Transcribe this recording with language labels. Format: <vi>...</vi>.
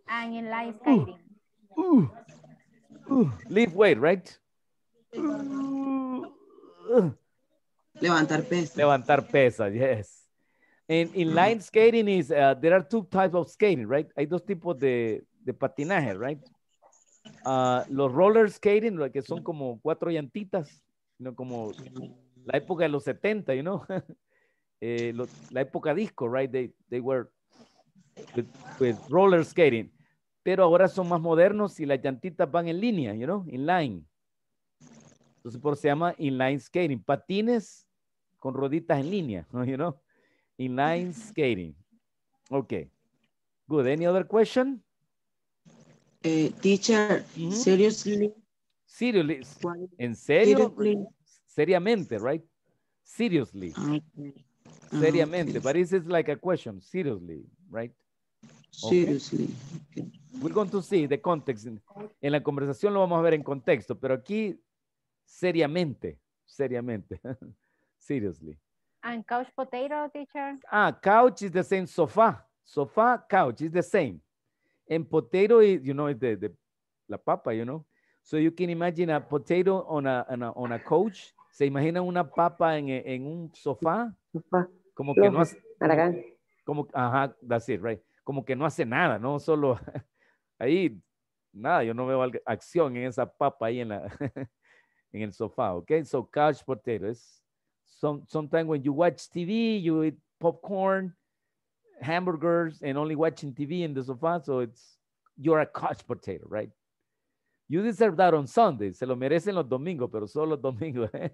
<en>And inline skating. Lift weight, right?</en> <es>Levantar pesas. Levantar pesas, yes.</es> <en>And inline skating is, there are two types of skating, right?</en> <es>Hay dos tipos de patinaje, right? Los roller skating, que son como cuatro llantitas, ¿no? Como la época de los 70,</es> <en>you know?</en> <es>la época disco, right?</es> <en>They were with roller skating.</en> <es>Pero ahora son más modernos y las llantitas van en línea,</es> <en>you know, in line.</en> <es>Entonces por eso se llama inline skating. Patines con rueditas en línea,</es> <en>you know. Inline skating. Okay. Good. Any other question? Teacher, mm-hmm. Seriously. Seriously.</en> <es>¿En serio?</es> <en>Seriously.</en> <es>Seriamente,</es> <en>right? Seriously. Okay.</en> <es>Seriamente,</es> <en>but this is like a question, seriously, right? Okay. Seriously. Okay. We're going to see the context.</en> <es>En la conversación lo vamos a ver en contexto, pero aquí, seriamente, seriamente, seriously.</es> <en>And couch potato, teacher? Ah, couch is the same, sofá. Sofá, couch is the same. And potato is, you know, the</en> <es>la papa,</es> <en>you know? So you can imagine a potato on a couch.</en> <es>¿Se imaginan una papa en un sofá? Sofá. Como que no hace, Como, ajá,</es> <en>that's it, right?</en> <es>Como que no hace nada, ¿no? Solo ahí, nada, yo no veo acción en esa papa ahí en la, en el sofá, okay?</es> <en>So couch potatoes. Sometimes when you watch TV, you eat popcorn, hamburgers, and only watching TV in the sofa, so it's, you're a couch potato, right? You deserve that on Sunday.</en> <es>Se lo merecen los domingos, pero solo los domingos.</es>